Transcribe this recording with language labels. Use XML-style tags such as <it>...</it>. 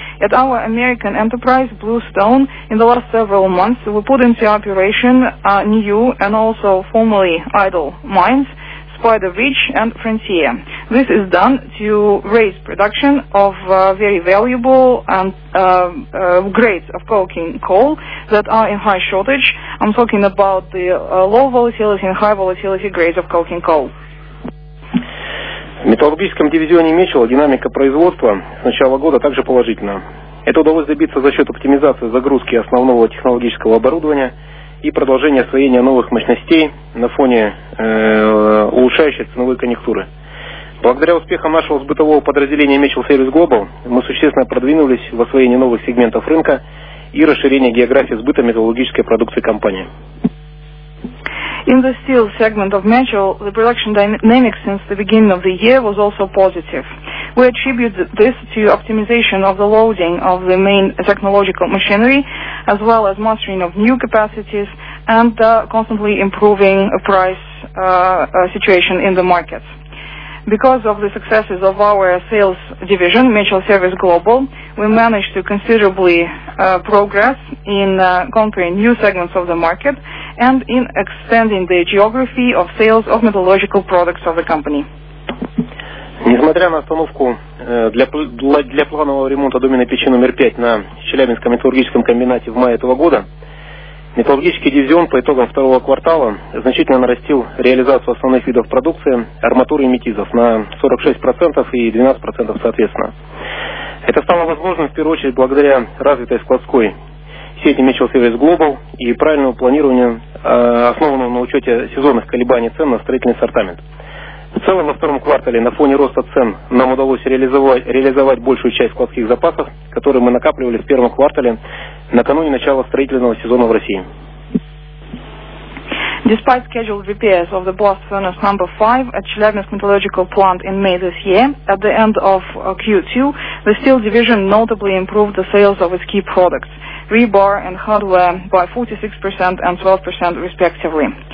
<en>At our American enterprise, Bluestone, in the last several months, we put into operation new and also formerly idle mines, Spider Ridge and Frontier. This is done to raise production of very valuable and grades of coking coal that are in high shortage. I'm talking about the low volatility and high volatility grades of coking coal.</en> <ru>В металлургическом дивизионе Мечела динамика производства с начала года также положительна. Это удалось добиться за счет оптимизации загрузки основного технологического оборудования и продолжение освоения новых мощностей на фоне улучшающейся ценовой конъюнктуры. Благодаря успехам нашего сбытового подразделения Mitchell Service Global мы существенно продвинулись в освоении новых сегментов рынка и расширении географии сбыта металлургической продукции компании.</ru> <en>In the steel segment of Mitchell, the production dynamics since the beginning of the year was also positive. We attribute this to optimization of the loading of the main technological machinery, as well as mastering of new capacities and constantly improving price situation in the market. Because of the successes of our sales division, Mitchell Service Global, we managed to considerably progress in conquering new segments of the market and in extending the geography of sales of metallurgical products of the company.</en> <ru>Несмотря на остановку для планового ремонта доменной печи номер 5 на Челябинском металлургическом комбинате в мае этого года, металлургический дивизион по итогам второго квартала значительно нарастил реализацию основных видов продукции арматуры и метизов на 46% и 12% соответственно. Это стало возможным в первую очередь благодаря развитой складской сети Mitchell Service Global и правильному планированию, основанному на учете сезонных колебаний цен на строительный ассортимент. В целом, во втором квартале на фоне роста цен нам удалось реализовать большую часть складских запасов, которые мы накапливали в первом квартале накануне начала строительного сезона в России.</ru> <en>Despite scheduled repairs of the blast furnace number 5 at Chelyabinsk Metallurgical Plant in May this year, at the end of Q2, the steel division notably improved the sales of its key products, rebar and hardware, by 46% and 12% respectively.</en>